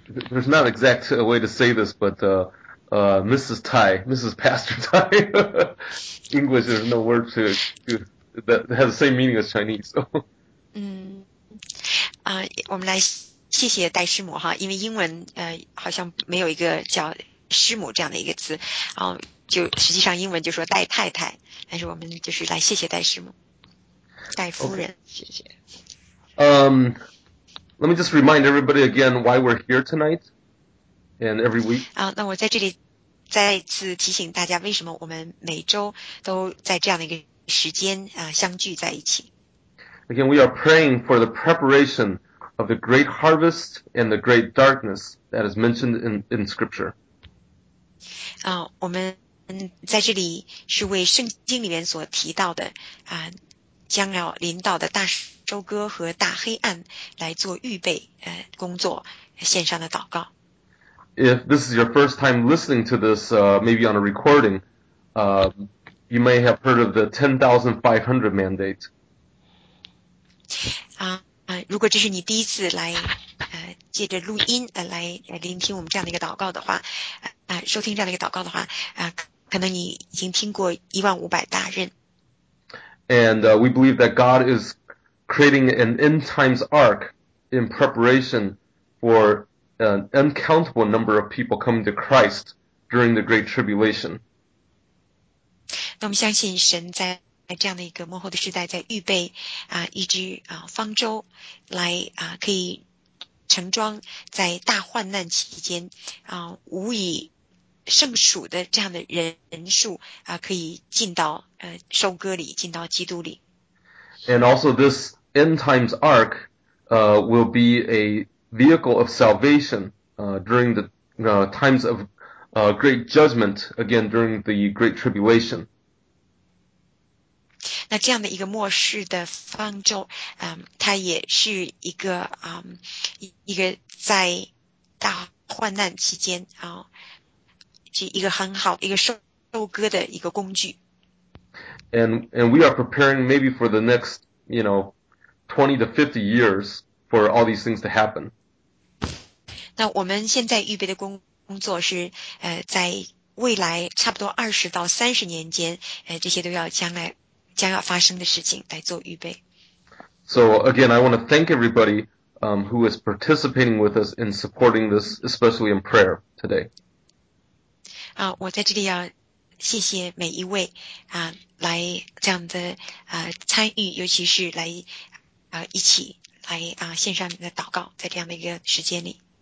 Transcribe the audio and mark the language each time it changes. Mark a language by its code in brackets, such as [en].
[en] There's not an exact way to say this, but Mrs. Tai, Mrs. Pastor Tai. English, there's no word that has the same meaning as Chinese. [zh] 我们来谢谢戴师母哈，因为英文好像没有一个叫师母这样的一个词，就实际上英文就说戴太太，但是我们就是来谢谢戴师母，戴夫人， [en] okay. [zh] 谢谢。 [en] Let me just remind everybody again why we're here tonight. And every week. [zh] 那我在这里再次提醒大家，为什么我们每周都在这样的一个时间相聚在一起。 [en] Again, we are praying for the preparation of the great harvest and the great darkness that is mentioned in Scripture. [zh] 我们在这里是为圣经里面所提到的将要临到的大收割和大黑暗来做预备工作，献上的祷告。 [en] If this is your first time listening to this, maybe on a recording, you may have heard of the 10,500 mandate. [zh] 如果这是你第一次来借着录音来聆听我们这样的一个祷告的话收听这样的一个祷告的话可能你已经听过1500大任。 [en] And we believe that God is creating an end times ark in preparation for an uncountable number of people coming to Christ during the Great Tribulation. [zh] 那我们相信神在这样的一个末后的时代在预备一支方舟来可以盛装在大患难期间无以胜数的这样的人数可以进到收割里，进到基督里。 [en] And also this end times ark will be a vehicle of salvation during the times of great judgment, again during the Great Tribulation. [zh] 那这样的一个末世的方舟，它也是一个一个在大患难期间啊，是一个很好一个收割的一个工具。 [en] And we are preparing maybe for the next, you know, 20 to 50 years for all these things to happen. [zh] 那我们现在预备的工作是在未来差不多20到30年间，这些都要将要发生的事情来做预备。 [en] So again, I want to thank everybody who is participating with us in supporting this, especially in prayer today. [zh] 我在这里要谢谢每一位来这样的参与，尤其是来一起来献上你的祷告，在这样的一个时间里。